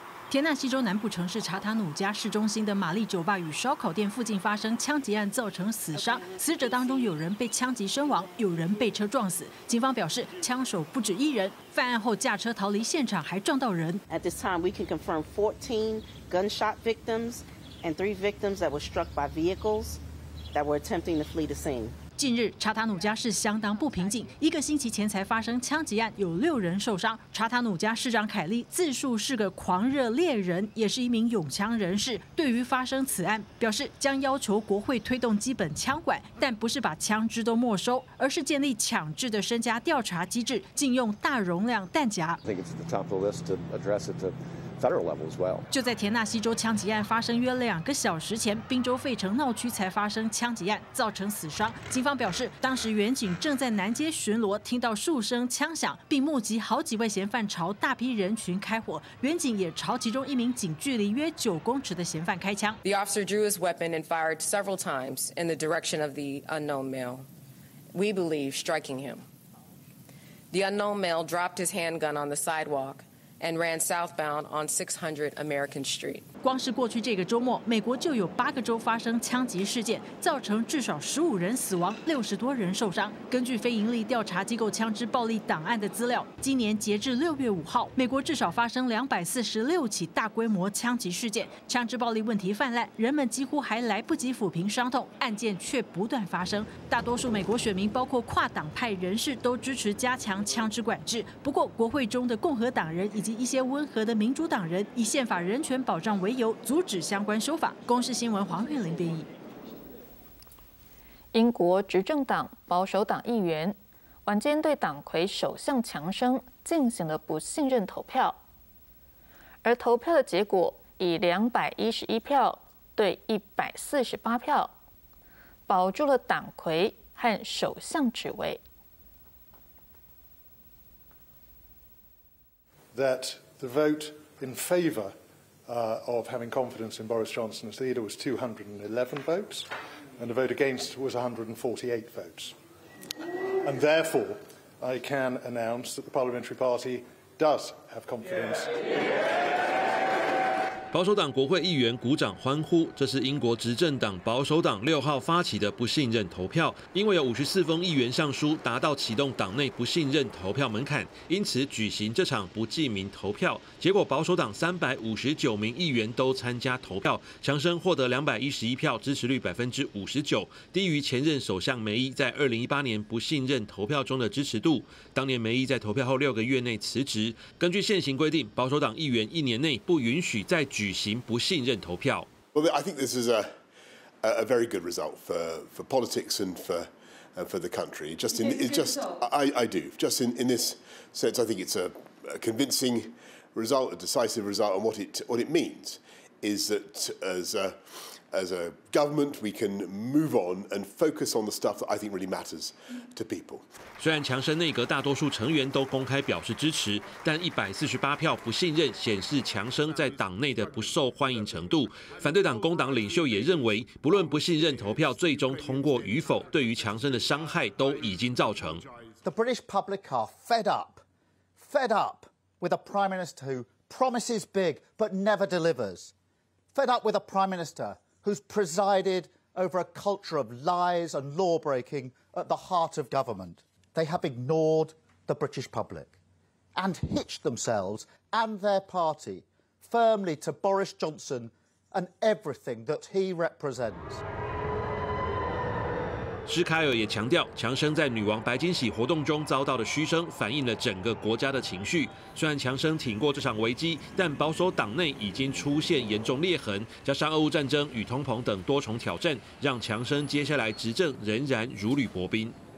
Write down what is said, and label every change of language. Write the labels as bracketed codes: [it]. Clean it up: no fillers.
[zh] 田纳西州南部城市查塔努加市中心的玛丽酒吧与烧烤店附近发生枪击案，造成死伤，死者当中有人被枪击身亡，有人被车撞死。警方表示，枪手不止一人，犯案后驾车逃离现场，还撞到人。 [en] At this time, we can confirm 14 gunshot victims. And 3 victims that were struck by vehicles that were attempting to flee the scene. [zh] 近日，查塔努加市相当不平静。一个星期前才发生枪击案，有6人受伤。查塔努加市长凯利自述是个狂热猎人，也是一名拥枪人士。对于发生此案，表示将要求国会推动基本枪管，但不是把枪支都没收，而是建立强制的身家调查机制，禁用大容量弹夹。 [en] I think it's at the top of the list to address it to. Federal level as well. [zh] 就在田纳西州枪击案发生约2个小时前，宾州费城闹区才发生枪击案，造成死伤。警方表示，当时远警正在南街巡逻，听到数声枪响，并目击好几位嫌犯朝大批人群开火。远警也朝其中一名仅距离约9公尺的嫌犯开枪。 [en] The officer drew his weapon and fired several times in the direction of the unknown male. We believe striking him. The unknown male dropped his handgun on the sidewalk. And ran southbound on 600 American Street. [zh] 光是过去这个周末，美国就有8个州发生枪击事件，造成至少15人死亡，60多人受伤。根据非营利调查机构枪支暴力档案的资料，今年截至6月5号，美国至少发生246起大规模枪击事件，枪支暴力问题泛滥，人们几乎还来不及抚平伤痛，案件却不断发生。大多数美国选民，包括跨党派人士，都支持加强枪支管制。不过，国会中的共和党人。以及一些温和的民主党人以宪法人权保障为由阻止相关修法。公视新闻黄韵玲编译。英国执政党保守党议员晚间对党魁首相强生进行了不信任投票，而投票的结果以211票对148票保住了党魁和首相职位。 [en] That the vote in favour of having confidence in Boris Johnson as leader was 211 votes, and the vote against was 148 votes. And therefore, I can announce that the Parliamentary Party does have confidence. Yeah. Yeah. [zh] 保守党国会议员鼓掌欢呼，这是英国执政党保守党6号发起的不信任投票，因为有54封议员上书达到启动党内不信任投票门槛，因此举行这场不记名投票。结果保守党359名议员都参加投票，强生获得211票，支持率59%，低于前任首相梅伊在2018年不信任投票中的支持度。当年梅伊在投票后6个月内辞职，根据现行规定，保守党议员1年内不允许再。举行不信任投票。 [en] Well, I think this is a, a very good result for politics and for the country. Just in it's just I do just in this sense, I think it's a convincing result, a decisive result, and what it means is that as a government, we can move on and focus on the stuff that I think really matters to people. [zh] 虽然强生内阁大多数成员都公开表示支持，但148票不信任显示强生在党内的不受欢迎程度。反对党工党领袖也认为，不论不信任投票最终通过与否，对于强生的伤害都已经造成。 [en] The British public are fed up with a prime minister who promises big but never delivers, fed up with a prime minister. Who's presided over a culture of lies and law breaking at the heart of government? They have ignored the British public and hitched themselves and their party firmly to Boris Johnson and everything that he represents. [zh] 施凯尔也强调，强生在女王白金禧活动中遭到的嘘声，反映了整个国家的情绪。虽然强生挺过这场危机，但保守党内已经出现严重裂痕，加上俄乌战争与通膨等多重挑战，让强生接下来执政仍然如履薄冰。